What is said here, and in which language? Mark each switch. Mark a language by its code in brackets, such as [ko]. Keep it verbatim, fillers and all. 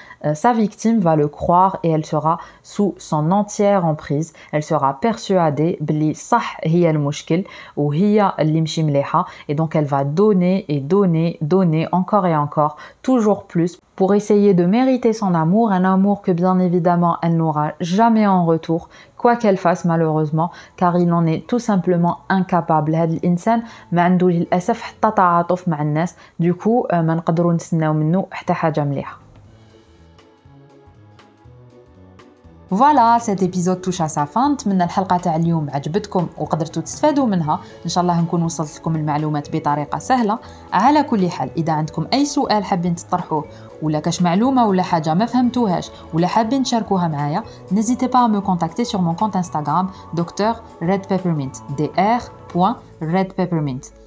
[fr] euh, sa victime va le croire et elle sera sous son entière emprise, elle sera persuadée que c'est elle le problème ou c'est elle qui va bien et donc elle va donner et donner, donner encore et encore, toujours plus pour essayer de mériter son amour, un amour que bien évidemment elle n'aura jamais en retour, quoi qu'elle fasse malheureusement, car il en est tout simplement incapable. [ar] هذا الإنسان ما عنده للأسف حتى تعاطف مع الناس، [fr] du coup [ar] ما نقدروا نستناو منه حتى حاجة مليحة. [fr] Voilà, cet épisode touche à sa fin. [ar] نتمنى الحلقة تاع اليوم عجبتكم وقدرتوا تستفادوا منها. إن شاء الله نكون وصلت لكم المعلومات بطريقة سهلة. على كل حال إذا عندكم أي سؤال حابين تطرحوه ولا كاش معلومة ولا حاجة ما فهمتوهاش ولا حابين تشاركوها معايا [fr] n'hésitez pas à me contacter sur mon compte Instagram Docteur Red Peppermint dr.redpeppermint.